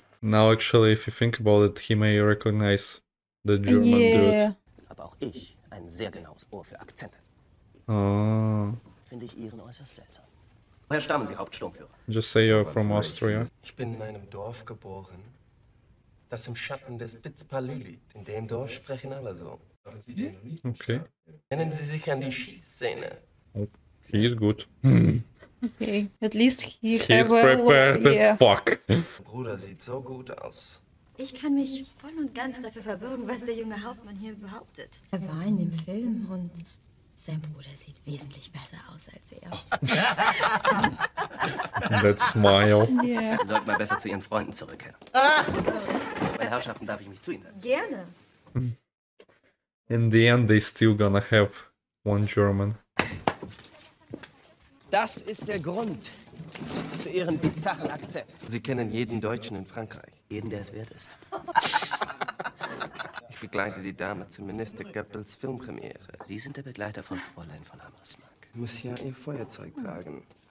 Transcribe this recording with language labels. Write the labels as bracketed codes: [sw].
[en] Now actually, if you think about it, he may recognize the German dude. [de] Aber auch ich ein sehr genaues Ohr für Akzente. Oh. Finde ich Ihren äußerst seltsam. Woher stammen Sie, Hauptsturmführer? [en] Just say you're from Austria. [de] Ich bin in einem Dorf geboren, das im Schatten des Bitzpalü liegt. In dem Dorf sprechen alle so. Okay. Erinnern Sie sich an die Schießszene? [en] Oh, he is good. Okay, at least he is prepared as fuck. [de] Bruder sieht so gut aus. Ich kann mich voll und ganz dafür verbürgen, was der junge Hauptmann hier behauptet. Er war in dem Film und sein Bruder sieht wesentlich besser aus als er. [en] That smile. Yeah. [de] Sie sollten mal besser zu ihren Freunden zurückkehren. Meine Herrschaften, darf ich mich zu ihnen setzen? Gerne. [en] In the end, they still gonna have one German. [de] Das ist der Grund für Ihren bizarren Akzent. Sie kennen jeden Deutschen in Frankreich. Jeden, der es wert ist. Ich begleite die Dame zu Minister Goebbels Filmpremiere. Sie sind der Begleiter von Fräulein von Hammersmark. Ich muss ja Ihr Feuerzeug tragen.